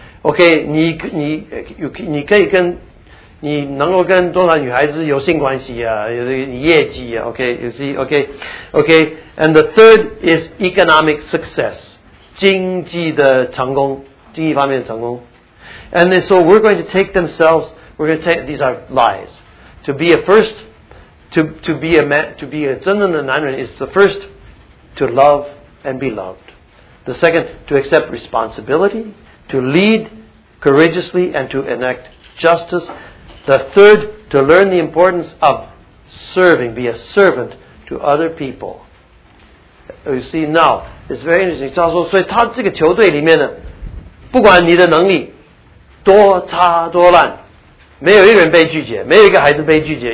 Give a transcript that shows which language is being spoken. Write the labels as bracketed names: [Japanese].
[Chinese] Okay, 你可以跟你能够跟多少女孩子有性关系啊，有业绩啊 , [English] okay, you see, okay. And the third is economic success. [Chinese] 经济的成功经济方面的成功。 [English] And then, so we're going to take themselves, we're going to take, these are lies. To be a first, to be a man, to be a [Chinese] 真正的男人 [English] is the first to love and be loved. The second, to accept responsibility, to lead courageously, and to enact justice. The third, to learn the importance of serving, be a servant to other people. You see, now, it's very interesting. [Chinese] 他说, 所以他这个球队里面呢, 不管你的能力多差多烂, 没有一个人被拒绝, 没有一个孩子被拒绝。